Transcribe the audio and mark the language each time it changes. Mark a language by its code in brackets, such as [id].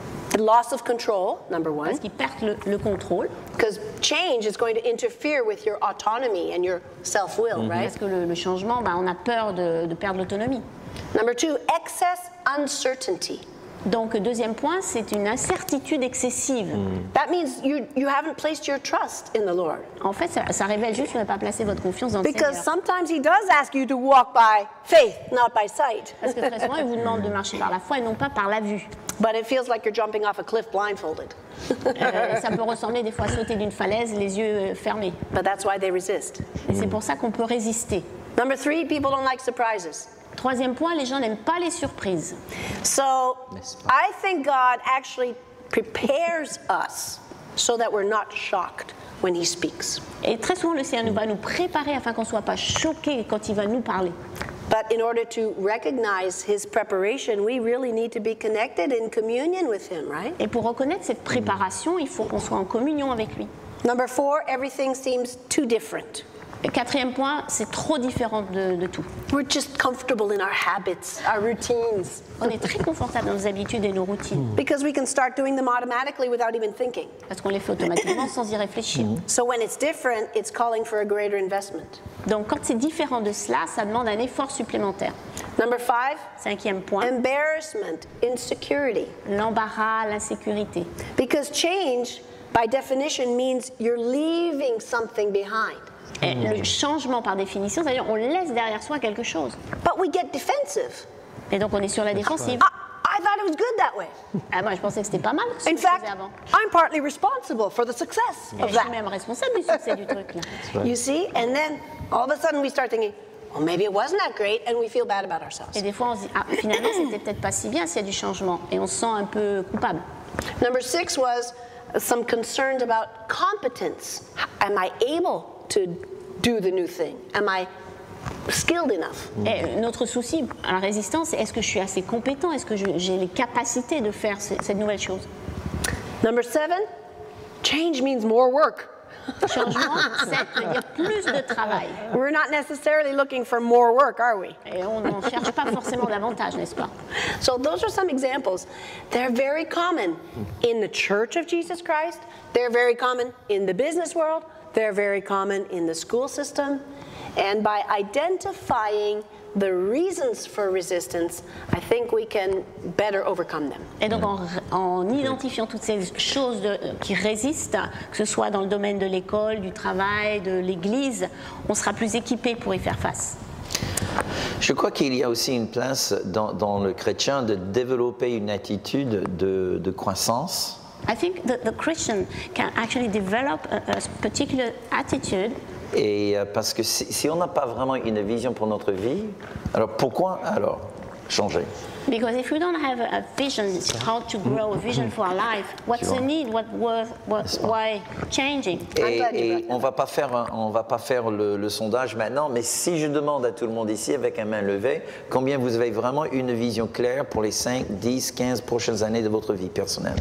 [en] The loss of control, number one. [fr] Parce qu'ils perdent le contrôle. [en] Because change is going to interfere with your autonomy and your self-will, right? [fr] Parce que le changement, on a peur de perdre l'autonomie. [en] Number two, excess uncertainty. [fr] Donc, deuxième point, c'est une incertitude excessive. [en] That means you haven't placed your trust in the Lord. [fr] En fait, ça révèle juste que vous n'avez pas placé votre confiance dans le [en] Because [fr] Seigneur. [en] Sometimes he does ask you to walk by faith, not by sight. [fr] Parce que très souvent, il vous demande de marcher par la foi et non pas par la vue. [en] But it feels like you're jumping off a cliff blindfolded. [fr] Ça peut ressembler des fois à sauter d'une falaise, les yeux fermés. [en] But that's why they resist. [fr] Et c'est pour ça qu'on peut résister. [en] Number three, people don't like surprises. [fr] Troisième point, les gens n'aiment pas les surprises. [en] So, I think God actually prepares us. so that we're not shocked when he speaks. [fr] Et très souvent, le Seigneur va nous préparer afin qu'on soit pas choqué quand il va nous parler. [en] But in order to recognize his preparation, we really need to be connected in communion with him, right? [fr] Et pour reconnaître cette préparation, il faut qu'on soit en communion avec lui. [en] Number four, everything seems too different. [fr] Le quatrième point, c'est trop différent de tout. [en] We're just comfortable in our habits, our routines. [fr] On est très confortable dans nos habitudes et nos routines. [en] Because we can start doing them automatically without even thinking. [fr] Parce qu'on les fait automatiquement sans y réfléchir. [en] So when it's different, it's calling for a greater investment. [fr] Donc quand c'est différent de cela, ça demande un effort supplémentaire. [en] Number five, [fr] cinquième point. [en] Embarrassment, insecurity. [fr] L'embarras, l'insécurité. [en] Because change, by definition, means you're leaving something behind. [fr] Et le changement par définition, c'est-à-dire on laisse derrière soi quelque chose. [en] But we get defensive. [fr] Et donc on est sur la défensive. [en] I thought it was good that way. [fr] Ah, moi je pensais que c'était pas mal. [en] In fact, I'm partly responsible for the success of that. [fr] Je suis même responsable du succès du truc. [en] You see, and then all of a sudden we start thinking, well, maybe it wasn't that great, and we feel bad about ourselves. [fr] Et des fois on se dit, ah, finalement c'était peut-être pas si bien s'il y a du changement, et on se sent un peu coupable. [en] Number six was some concerns about competence. Am I able to do the new thing? Am I skilled enough? [fr] Et notre souci à la résistance, est-ce que je suis assez compétent? Est-ce que j'ai les capacités de faire cette nouvelle chose? [en] Number seven, change means more work. [fr] Changement, ça veut dire plus de travail. [en] We're not necessarily looking for more work, are we? [fr] Et on n'en cherche pas forcément davantage, n'est-ce pas? [en] So those are some examples. They're very common in the Church of Jesus Christ. They're very common in the business world. They're very common in the school system. And by identifying the reasons for resistance, I think we can better overcome them. [fr] Et donc en identifiant toutes ces choses qui résistent, que ce soit dans le domaine de l'école, du travail, de l'église, on sera plus équipé pour y faire face. Je crois qu'il y a aussi une place dans le chrétien de développer une attitude de croissance. [en] I think that the Christian can actually develop a particular attitude. [fr] Et parce que si on n'a pas vraiment une vision pour notre vie, alors pourquoi alors changer? [en] Because if we don't have a vision, how to grow a vision for our life? What's the need? Why changing? [fr] Et on va pas faire le sondage maintenant, mais si je demande à tout le monde ici avec un main levée, combien vous avez vraiment une vision claire pour les 5, 10, 15 prochaines années de votre vie personnelle?